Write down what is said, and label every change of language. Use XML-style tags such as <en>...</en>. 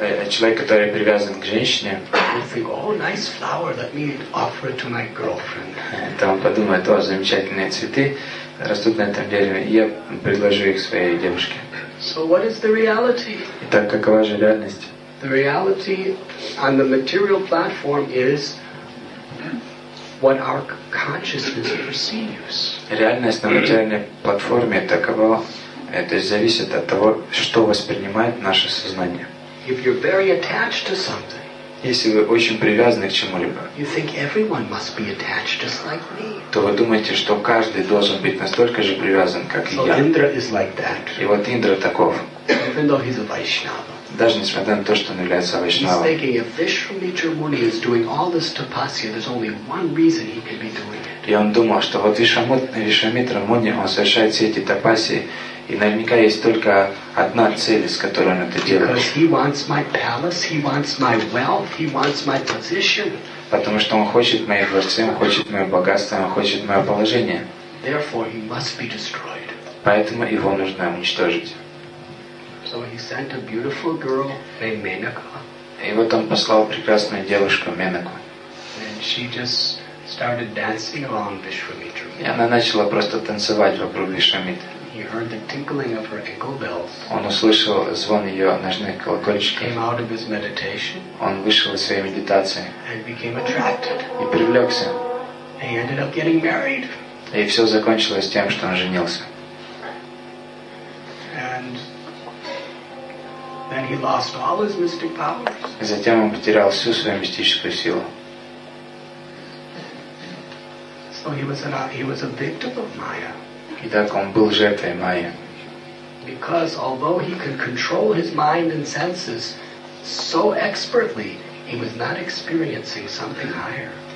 <ru>человек, который привязан к женщине,</ru> <en>think, oh, nice flower, let me offer it to my girlfriend.</en> <ru>То он подумает, о, замечательные цветы растут на этом дереве, и я предложу их своей девушке.</ru> <en>So what is the reality?</en> <ru>Итак, какова же реальность?</ru> <en>The reality on the material platform is what our consciousness perceives.</en> <ru>Реальность на материальной платформе такова. Это зависит от того, что воспринимает наше сознание.</ru> <en>If you're very attached to something,</en> <ru>если вы очень привязаны к чему-либо,</ru> <en>you think everyone must be attached just like me.</en> <ru>То вы думаете, что каждый должен быть настолько же привязан, как</ru> <en>so</en> <ru>и я.</ru> <en>Indra is like that.</en> <ru>И вот Индра таков.</ru> <en>Even though he's a Vaishnava.</en> <ru>Даже несмотря на то, что он является Вайшнавом.</ru> <en>He's thinking if Vishwamitramuni is doing all this tapasya, there's only one reason he could be doing it.</en> <ru>И он думал, что вот Вишвамитрамуни, он совершает все эти тапасии, и наверняка есть только одна цель, с которой он это делает.</ru> <en>Because he wants my palace, he wants my wealth, he wants my position.</en> <ru>Потому что он хочет мои дворцы, он хочет мое богатство, он хочет мое положение.</ru> <en>Therefore he must be destroyed.</en> <ru>Поэтому его нужно уничтожить.</ru> <en>So he sent a beautiful girl named Menaka.</en> <ru>И вот он послал прекрасную девушку Менаку.</ru> <en>And she just started dancing along Vishwamitra.</en> <ru>И она начала просто танцевать вокруг Вишвамитры.</ru> <en>He heard the tinkling of her ankle bells.</en> <ru>Он услышал звон ее ножных колокольчиков.</ru> <en>Came out of his meditation.</en> <ru>Он вышел из своей медитации.</ru> <en>And became attracted.</en> <ru>И привлекся.</ru> <en>And he ended up getting married.</en> <ru>И все закончилось тем, что он женился.</ru> <en>And then he lost all his mystic powers.</en> <ru>И затем он потерял всю свою мистическую силу.</ru> <en>So he was a victim of Maya.</en> <ru>И так он был жертвой Майи.</ru> <en>Because although he could control his mind and senses so expertly, he was not experiencing something higher.</en>